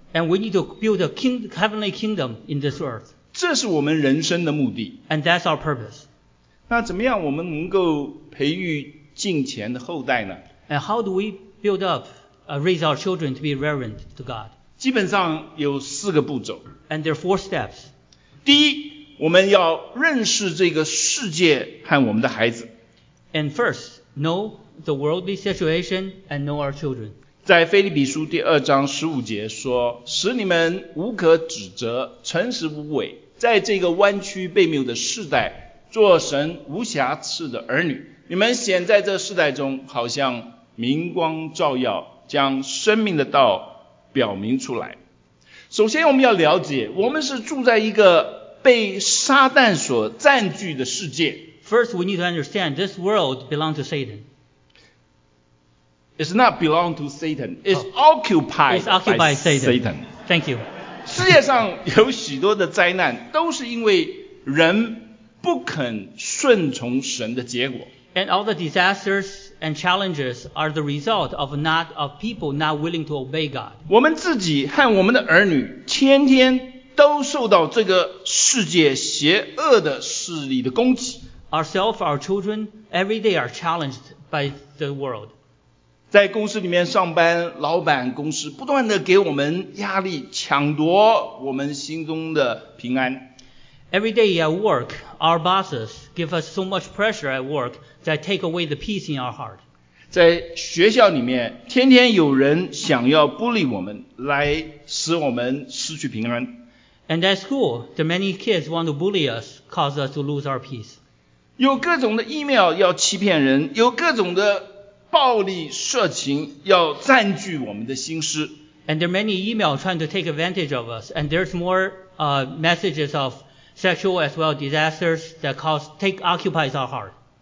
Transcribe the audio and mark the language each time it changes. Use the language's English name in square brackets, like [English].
[English] And we need to build a king, heavenly kingdom in this earth. [Chinese] 这是我们人生的目的。 [English] And that's our purpose. [Chinese] 那怎么样我们能够培育敬虔的后代呢？ [English] And how do we build up, raise our children to be reverent to God? [Chinese] 基本上有四个步骤。 [English] And there are four steps. [Chinese] 第一，我们要认识这个世界和我们的孩子。 [English] And first, know the worldly situation and know our children. [Chinese] 在腓立比书第二章十五节说，使你们无可指责，诚实无伪，在这个弯曲悖谬的世代，做神无瑕疵的儿女。你们显在这世代中，好像明光照耀，将生命的道表明出来。首先我们要了解，我们是住在一个被撒旦所占据的世界。 [English] First, we need to understand this world belongs to Satan. It's not belong to Satan. It's occupied, it's occupied by Satan. Satan. Thank you. [Chinese] 世界上有许多的灾难，都是因为人不肯顺从神的结果。 [English] And all the disasters and challenges are the result of not of people not willing to obey God. [Chinese] 我们自己和我们的儿女天天都受到这个世界邪恶的势力的攻击。 [English] Ourselves, our children, every day are challenged by the world. [Chinese] 在公司里面上班，老板公司不断地给我们压力，抢夺我们心中的平安。 [English] Every day at work, our bosses give us so much pressure at work that take away the peace in our heart. [Chinese] 在学校里面，天天有人想要bully我们，来使我们失去平安。 [English] And at school, the many kids want to bully us, cause us to lose our peace. [Chinese] 有各种的 email 要欺骗人，有各种的暴力色情要占据我们的心思。 [English] And there are many emails trying to take advantage of us, and there's more messages of sexual as well disasters that cause take occupies our heart.